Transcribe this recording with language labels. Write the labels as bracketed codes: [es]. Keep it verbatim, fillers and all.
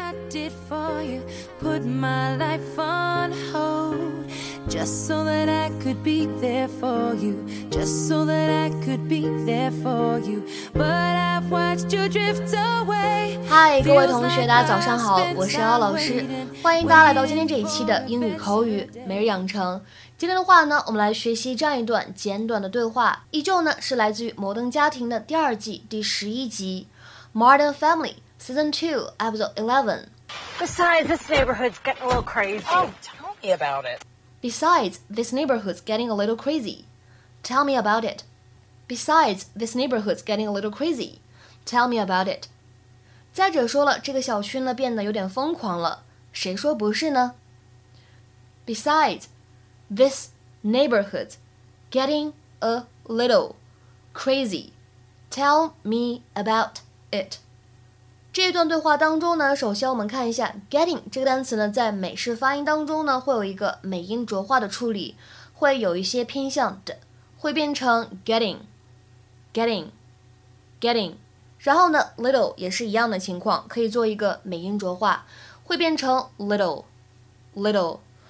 [en] did for you, put my life on hold, just so that I could be there for you, just so that I could be there for you, but I've watched you drift away. [zh] 嗨，各位同学，大家早上好，我是姚老师，欢迎大家来到今天这一期的英语口语每日养成。今天的话呢，我们来学习这样一段简短的对话，依旧呢是来自于《摩登家庭》的第二季第十一集，《Modern Family》Season Two Episode Eleven。 [en] Besides, this neighborhood's getting a little crazy. Oh, tell me about it. Besides, this neighborhood's getting a little crazy. Tell me about it. Besides, this neighborhood's getting a little crazy. Tell me about it. [zh] 再者说了，这个小区呢变得有点疯狂了，谁说不是呢 ？Besides. [en] This neighborhood's getting a little crazy. Tell me about it. [zh] 这一段对话当中呢，首先我们看一下 getting 这个单词呢，在美式发音当中呢，会有一个美音浊化的处理，会有一些偏向的，会变成 getting, getting, getting. 然后呢 ，little 也是一样的情况，可以做一个美音浊化，会变成 little, little.